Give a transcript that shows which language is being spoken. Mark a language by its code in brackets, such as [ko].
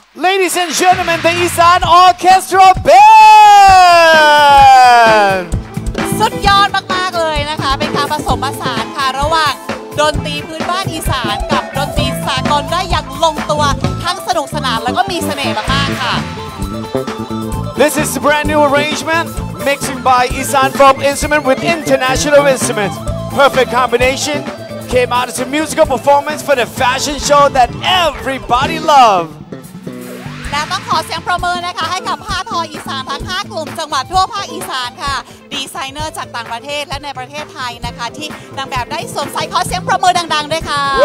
[en] Ladies and gentlemen the Isan Orchestra Band [th] สุดยอดมากๆเลยนะคะเป็นการผสมผสานค่ะระหว่างดนตรีพื้นบ้านอีสานกับดนตรีสากลได้อย่างลงตัวทั้งสนุกสนานแล้วก็มีเสน่ห์มากๆค่ะ [en] This is a brand new arrangement mixing by Isan Folk Instrument with International Instrument Perfect combination came out as a musical performance for the fashion show that everybody love [th] และต้องขอเสียงประเมินนะคะให้กับผ้าทออีสานทั้ง5กลุ่มจังหวัดทั่วภาคอีสานค่ะดีไซเนอร์จากต่างประเทศและในประเทศไทยนะคะที่นางแบบได้สวมใส่ขอเสียงประเมินดังๆด้วยค่ะ